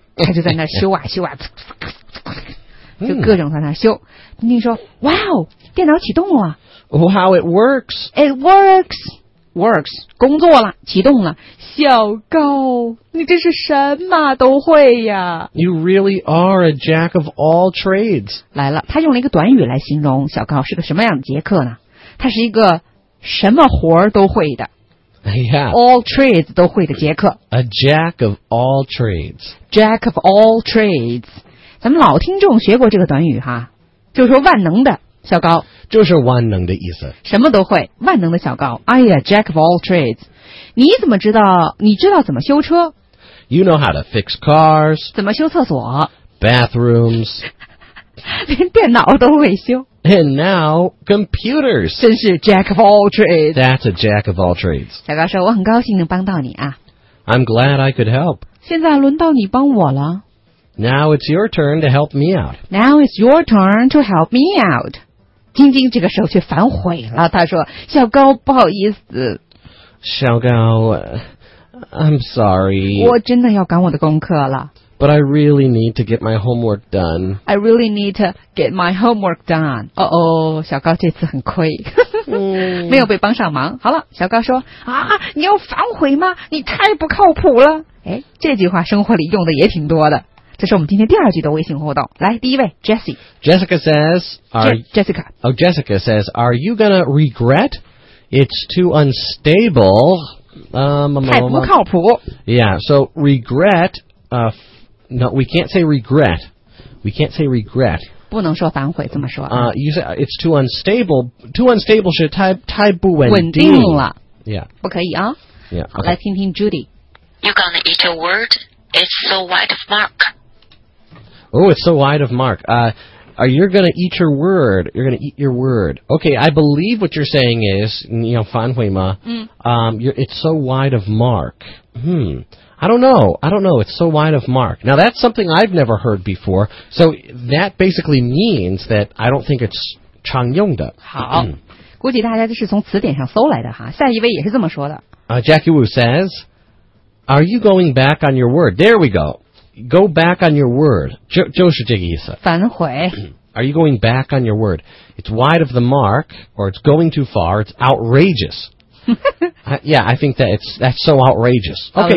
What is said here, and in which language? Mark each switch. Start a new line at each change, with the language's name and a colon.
Chinese: 他就在那修啊修啊，就各种在那修。 Jingjing说 ，Wow, 电脑启动了。
English: Wow, it works. It works. Works，
Chinese: 工作了，启动了。小高，你真是什么都会呀
English: ！You really are a jack of all trades。
Chinese: 来了，他用了一个短语来形容小高是个什么样的杰克呢？他是一个什么活都会的
English: ，Yeah， all trades
Chinese: 都会的杰克。
English: A jack of all trades， jack of all trades。
Chinese: 咱们老听众学过这个短语哈，就是说万能的。小高就是万能的意思，什么都会，万能的小高。哎呀 ，
English: Jack of all trades，
Chinese: 你怎么知道？你知道怎么修车
English: ？You know how to fix cars。
Chinese: 怎么修厕所
English: ？Bathrooms。
Chinese: 连电脑都会修。
English: And now computers。
Chinese: 真是
English: Jack of all trades。 That's a Jack of all trades。
Chinese: 小高说：“我很高兴能帮到你啊。
English: ”I'm glad I could help。
Chinese: 现在轮到你帮我了。
English: Now it's your turn to help me out. Now it's your turn to help me out.
Chinese: 晶晶这个时候却反悔了，他说：“小高，不好意思。”
English: 小高 I'm sorry.
Chinese: 我真的要赶我的功课了。
English: But I really need to get my homework done. I really need to get my homework done.
Chinese: Uh-oh, 小高这次很亏。没有被帮上忙。好了，小高说，啊，你要反悔吗？你太不靠谱了。哎，这句话生活里用的也挺多的。这是我们今天第二句的微信互动。来，第一位 ,Jessie。
English: Jessica says, Jessica. Oh, Jessica says, are you gonna regret? It's too unstable.
Chinese: 太不靠谱。
English: Yeah, so regret, No, we can't say regret. We can't say regret.
Chinese: 不能说反悔这么说。
English: You say it's too unstable. Too unstable
Chinese: 是太不稳定。稳定了。
English: Yeah.
Chinese: 不可以啊。
English: Yeah.
Chinese: 好，来听听 Judy.
English: You're gonna eat a word? It's so wide of mark. Oh, it's so wide of mark. You're gonna eat your word. You're gonna eat your word. Okay, I believe what you're saying is,
Chinese: 你要反悔吗？
English: It's so wide of mark. I don't know. It's so wide of mark. Now, that's something I've never heard before. So, that basically means that I don't think it's
Chinese: 常用的。好，估计大家都是从词典上搜来的哈。下一位也是这么说的。
English: Jackie Wu says, are you going back on your word? There we go. Go back on your word.
Chinese: 就是这个意思。反悔。
English: Are you going back on your word? It's wide of the mark, or it's going too far, it's outrageous. I think that's so outrageous. Okay,